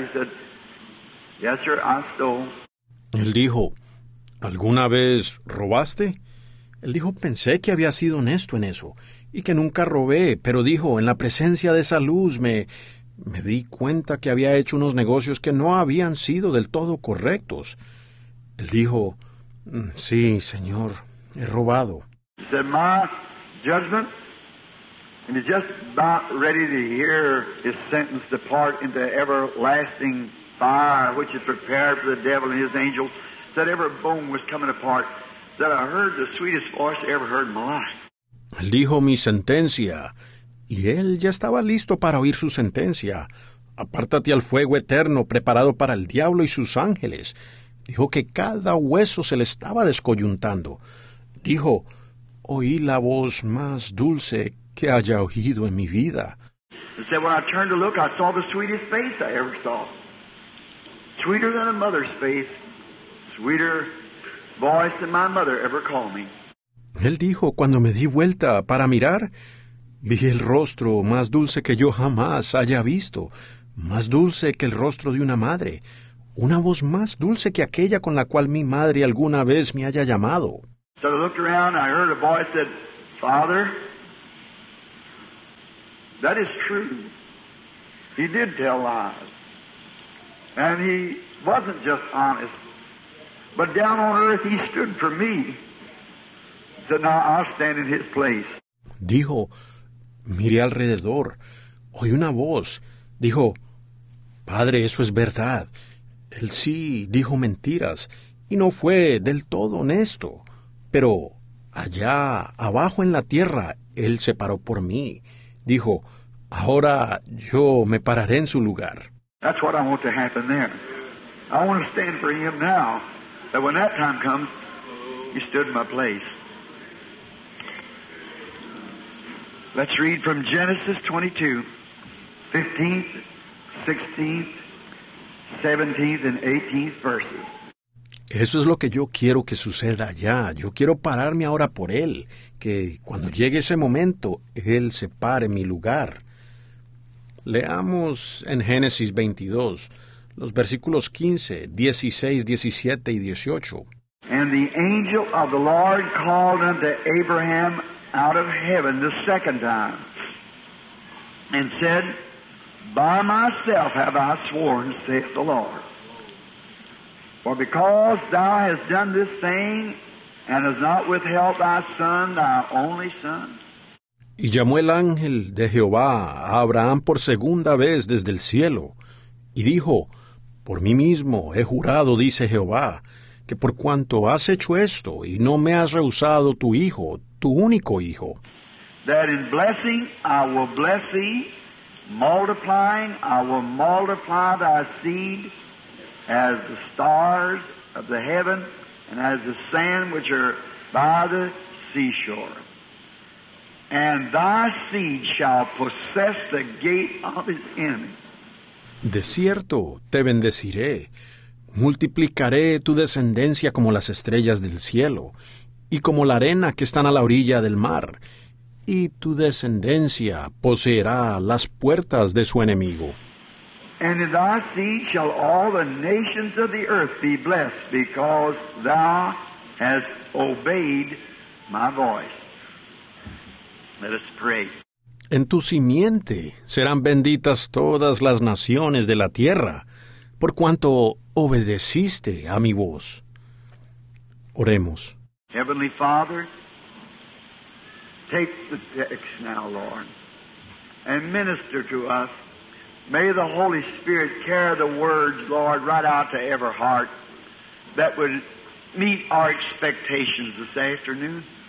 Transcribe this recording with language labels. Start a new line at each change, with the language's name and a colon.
English: He said, yes, sir, I stole.
Spanish: Él dijo, ¿alguna vez robaste? Él dijo, pensé que había sido honesto en eso, y que nunca robé, pero dijo, en la presencia de esa luz, me di cuenta que había hecho unos negocios que no habían sido del todo correctos. Él dijo, sí, señor, he robado.
English: He said, my judgment, and he's just about ready to hear his sentence depart into everlasting fire, which is prepared for the devil and his angels, said every bone was coming apart, that I heard the sweetest voice I ever heard in my life.
Spanish: Él dijo mi sentencia, y él ya estaba listo para oír su sentencia. Apártate al fuego eterno preparado para el diablo y sus ángeles. Dijo que cada hueso se le estaba descoyuntando. Dijo, oí la voz más dulce que haya oído en mi vida.
English: He said, when I turned to look, I saw the sweetest face I ever saw. Sweeter than a mother's face. Sweeter voice than my mother ever called me.
Spanish: Él dijo, cuando me di vuelta para mirar, vi el rostro más dulce que yo jamás haya visto, más dulce que el rostro de una madre, una voz más dulce que aquella con la cual mi madre alguna vez me haya llamado.
English: So I looked around and I heard a voice that said, Father, that is true. He did tell lies. And he wasn't just honest. But down on earth he stood for me. So now I stand in his place.
Spanish: Dijo, miré alrededor. Oí una voz. Dijo, Padre, eso es verdad. Él sí dijo mentiras. Y no fue del todo honesto. Pero allá abajo en la tierra, él se paró por mí. Dijo, ahora yo me pararé en su lugar.
English: That's what I want to happen there. I want to stand for him now. That when that time comes, he stood in my place. Let's read from Genesis 22, 15th, 16th, 17th, and 18th verses.
Spanish: Eso es lo que yo quiero que suceda allá. Yo quiero pararme ahora por él, que cuando llegue ese momento, él se pare mi lugar. Leamos en Génesis 22, los versículos 15, 16, 17 y 18.
English: And the angel of the Lord called unto Abraham out of heaven the second time, and said, By myself have I sworn, saith the Lord. For because thou hast done this thing, and hast not withheld thy son, thy only son.
Spanish: Y llamó el ángel de Jehová a Abraham por segunda vez desde el cielo, y dijo, Por mí mismo he jurado, dice Jehová, que por cuanto has hecho esto y no me has rehusado tu hijo, tu único hijo,
English: that in blessing I will bless thee, multiplying I will multiply thy seed as the stars of the heaven and as the sand which are by the seashore. And thy seed shall possess the gate of his enemy.
Spanish: De cierto te bendeciré, multiplicaré tu descendencia como las estrellas del cielo y como la arena que están a la orilla del mar, y tu descendencia poseerá las puertas de su enemigo.
English: And in thy seed shall all the nations of the earth be blessed, because thou hast obeyed my voice. Let us pray.
Spanish: En tu simiente serán benditas todas las naciones de la tierra, por cuanto obedeciste a mi voz. Oremos.
English: Heavenly Father, take the text now, Lord, and minister to us. May the Holy Spirit carry the words, Lord, right out to every heart that would meet our expectations this afternoon.